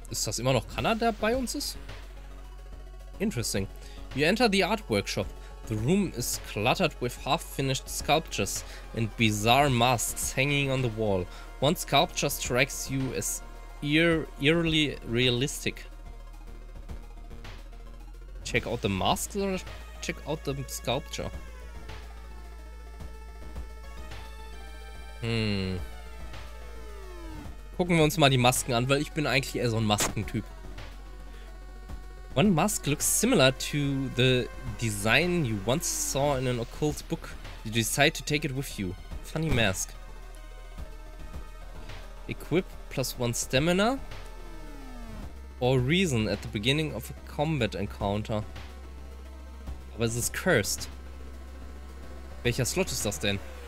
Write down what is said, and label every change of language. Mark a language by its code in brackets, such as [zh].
[de] Ist das immer noch Kanada, der bei uns ist? [en] Interesting. You enter the art workshop. The room is cluttered with half-finished sculptures and bizarre masks hanging on the wall. One sculpture strikes you as eerily realistic. Check out the masks or check out the sculpture? [de] Gucken wir uns mal die Masken an, weil ich bin eigentlich eher so ein Maskentyp. [en] One mask looks similar to the design you once saw in an occult book. You decide to take it with you. Funny mask. Equip plus one stamina or reason at the beginning of a combat encounter. [de] Aber es ist cursed. Welcher Slot ist das denn?